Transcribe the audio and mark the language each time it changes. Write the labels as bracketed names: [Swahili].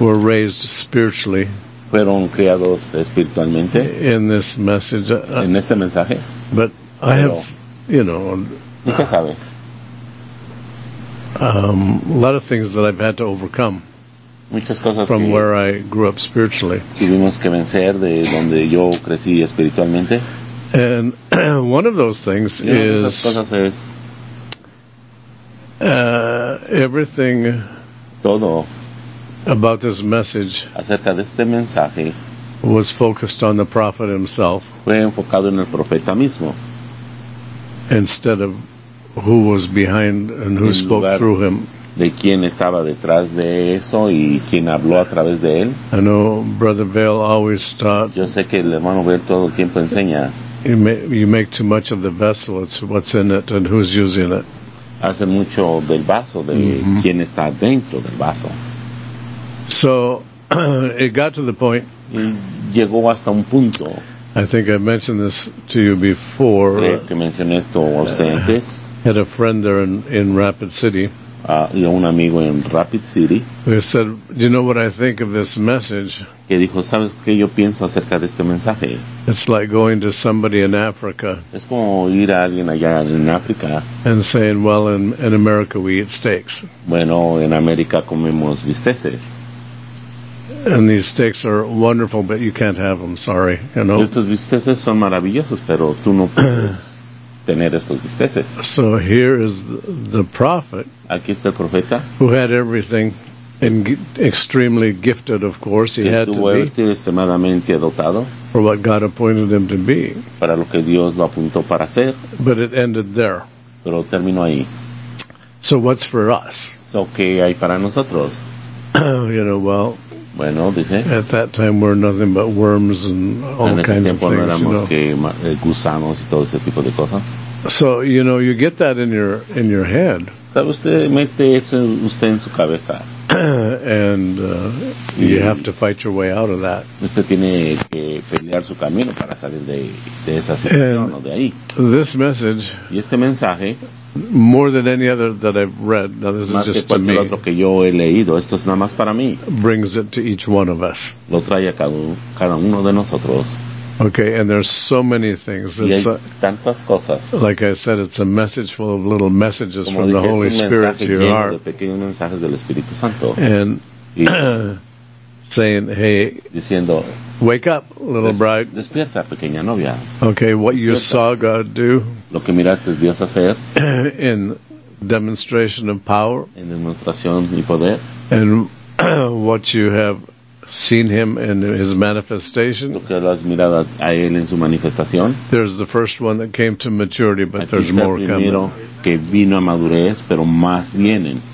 [English] were raised spiritually. [Spanish] Fueron criados espiritualmente [English] in this message, [Spanish] en este mensaje. [English] But I have, you know, [Spanish] usted sabe. [English] A lot of things that I've had to overcome. [Spanish] Muchas cosas [English] from [Spanish] que [English] where I grew up spiritually. [Spanish] Tuvimos que vencer de donde yo crecí espiritualmente. [English] And one of those things [Spanish] is cosas es [English] everything [Spanish] todo [English] about this message [Spanish] acerca de este mensaje [English] was focused on the prophet himself. [Spanish] Fue enfocado en el profeta mismo. [English] Instead of who was behind and who spoke through him. [Spanish] De quién estaba detrás de eso y quién habló a través de él. [English] I know Brother Vail always taught. [Spanish] Yo sé que el hermano Vail todo el tiempo enseña. [English] You make too much of the vessel. It's what's in it and who's using it. [Spanish] Hace mucho del vaso, de quién está dentro del vaso. [English] So it got to the point. [Spanish] Y llegó hasta un punto. [English] I think I mentioned this to you before. [Spanish] Creo que mencioné esto a usted antes. [English] Had a friend there in Rapid City. [Spanish] Y a un amigo en Rapid City. [English] He said, "You know what I think of this message?" [Spanish] Que dijo, "¿Sabes qué yo pienso acerca de este mensaje?" [English] It's like going to somebody in Africa. [Spanish] Es como ir a alguien allá en África. [English] And saying, "Well, in America we eat steaks." [Spanish] Bueno, en América comemos bisteces. [English] And these steaks are wonderful, but you can't have them. Sorry, you know. [Spanish] Estos bisteces son maravillosos, pero tú no puedes. Tener estos bisteces. [English] So here is the prophet. [Spanish] Aquí está el profeta. [English] Who had everything and extremely gifted, of course. He had to be [Spanish] extremadamente dotado [English] for what God appointed him to be. [Spanish] Para lo que Dios lo apuntó para hacer. [English] But it ended there. [Spanish] Pero terminó ahí. [English] So what's for us? So [Spanish] ¿qué hay para nosotros? [English] You know, well, [Spanish] bueno, dice, [English] at that time we're nothing but worms and all kinds of things, [Spanish] no, [English] you know. [Spanish] Que, gusanos y todo ese tipo de cosas. [English] So, you know, you get that in your head. [Spanish] ¿Sabe usted, mete eso usted en su cabeza? [English] And you have to fight your way out of that. [Spanish] Usted tiene que pelear su camino para salir de esa situación o de ahí. [English] This message, [Spanish] y este mensaje, [English] more than any other that I've read, now this is just to me, [Spanish] otro que yo he leído, esto es nada más para mí, [English] brings it to each one of us. [Spanish] Lo trae a cada uno de nosotros. [English] Okay, and there's so many things. [Spanish] Y hay tantas cosas. [English] Like I said, it's a message full of little messages from the Holy Spirit to your heart. [Spanish] De pequeños mensajes del Espíritu Santo. [English] And saying, hey, [Spanish] diciendo, [English] wake up, little bride. [Spanish] Despierta, pequeña novia. [English] Okay, what you saw God do. [Spanish] Lo que miraste Dios hacer. [English] In demonstration of power. [Spanish] En demostración y poder. [English] And what you have seen him in his manifestation. [Spanish] Lo que has mirado a él en su manifestación. [English] There's the first one that came to maturity, but [Spanish] aquí [English] there's more coming. [Spanish] Primero que vino a madurez, pero más vienen.